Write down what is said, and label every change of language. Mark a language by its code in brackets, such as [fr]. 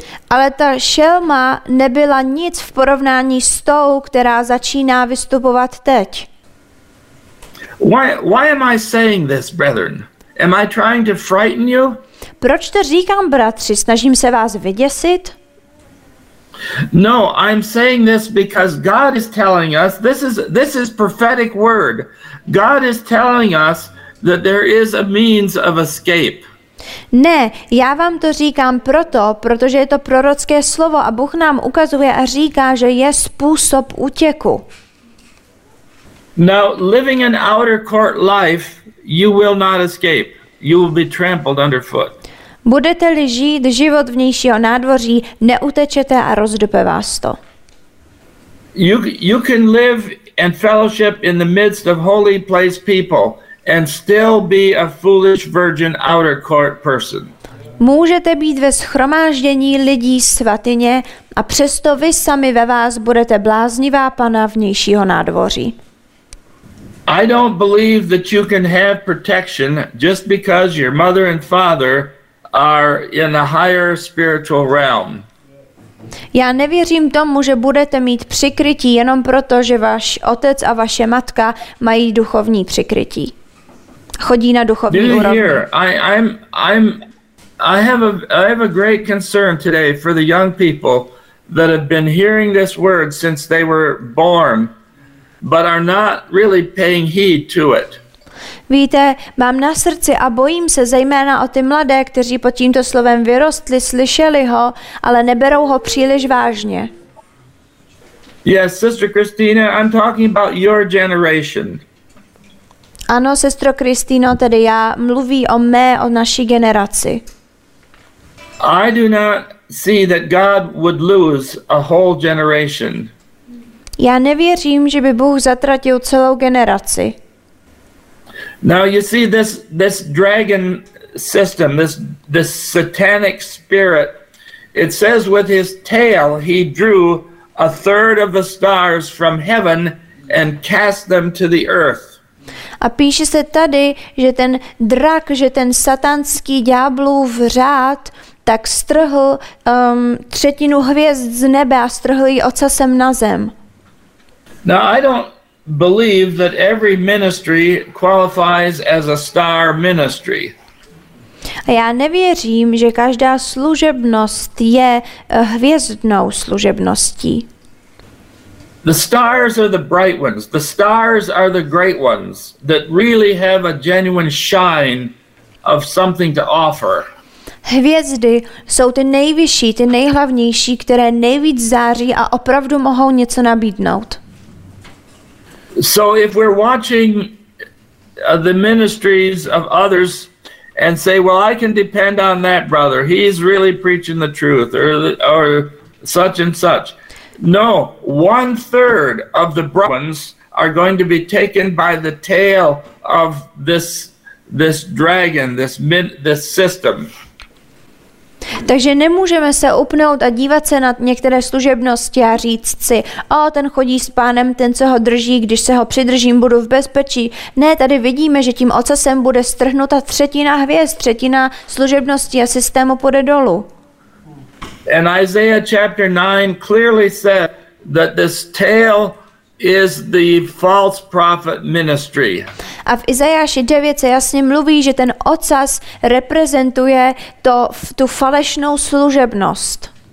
[cs] Ale ta šelma nebyla nic v porovnání s tou, která začíná vystupovat teď. [en] Why am I saying this, brethren? Am I trying to frighten you? [cs] Proč to říkám, bratři? Snažím se vás vyděsit? [en] No, I'm saying this because God is telling us, this is prophetic word. God is telling us that there is a means of escape. [cs] Ne, já vám to říkám proto, protože je to prorocké slovo a Bůh nám ukazuje a říká, že je způsob útěku. [en] Now, living an outer court life, you will not escape. You will be trampled underfoot. [cs] Budete-li žít život vnějšího nádvoří, neutečete a rozdupe vás to. [en] You can live and fellowship in the midst of holy place people and still be a foolish virgin outer court person. [cs] Můžete být ve shromáždění lidí svatyně a přesto vy sami ve vás budete bláznivá pana vnějšího nádvoří. [en] I don't believe that you can have protection just because your mother and father are in a higher spiritual realm. [cs] Já nevěřím tomu, že budete mít přikrytí jenom proto, že váš otec a vaše matka mají duchovní přikrytí. Chodí na duchovní úrovni. [en] I have a great concern today for the young people that have been hearing this word since they were born, but are not really paying heed to it. [cs] Víte, mám na srdci a bojím se zejména o ty mladé, kteří pod tímto slovem vyrostli, slyšeli ho, ale neberou ho příliš vážně. [en] Yes, sister Christina, I'm talking about your generation. [cs] Ano, sestro Kristýno, tedy já mluvím o naší generaci. [en] I do not see that God would lose a whole generation. [cs] Já nevěřím, že by Bůh zatratil celou generaci. [en] Now you see this dragon system, this satanic spirit, it says with his tail he drew a third of the stars from heaven and cast them to the earth. [cs] A píše se tady, že ten drak, že ten satanský ďáblův řád, tak strhl třetinu hvězd z nebe a strhl ji ocasem na zem. [en] Now I don't believe that every ministry qualifies as a star ministry. [cs] A já nevěřím, že každá služebnost je hvězdnou služebností. [en] The stars are the bright ones. The stars are the great ones that really have a genuine shine of something to offer. [cs] Hvězdy jsou ty nejvyšší, ty nejhlavnější, které nejvíc září a opravdu mohou něco nabídnout. [en] So if we're watching the ministries of others and say, well, I can depend on that brother, he's really preaching the truth, or such and such. No, one third of the bright ones are going to be taken by the tail of this dragon, this system. [cs] Takže nemůžeme se upnout a dívat se na některé služebnosti a říct si, o, ten chodí s pánem, ten, co ho drží, když se ho přidržím, budu v bezpečí. Ne, tady vidíme, že tím ocasem bude strhnuta třetina hvězd, třetina služebnosti a systému půjde dolů. [en] And Isaiah chapter 9 clearly said that this tale is the false prophet ministry. [cs] A v Izajáši 9 se jasně mluví, že ten ocas reprezentuje to, tu falešnou služebnost.